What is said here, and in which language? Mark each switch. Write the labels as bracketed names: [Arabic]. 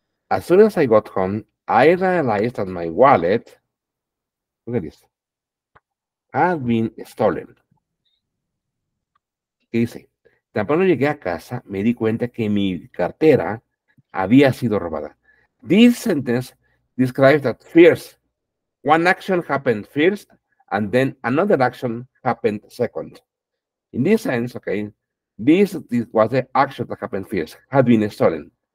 [English] As soon as I got home, I realized that my wallet, look at this, had been stolen. [Spanish] ¿Qué dice? Tan pronto llegué a casa, me di cuenta que mi cartera había sido robada. [English] This sentence describes that first, one action happened first, and then another action happened second. In this sense, okay, this was the action that happened first, had been stolen.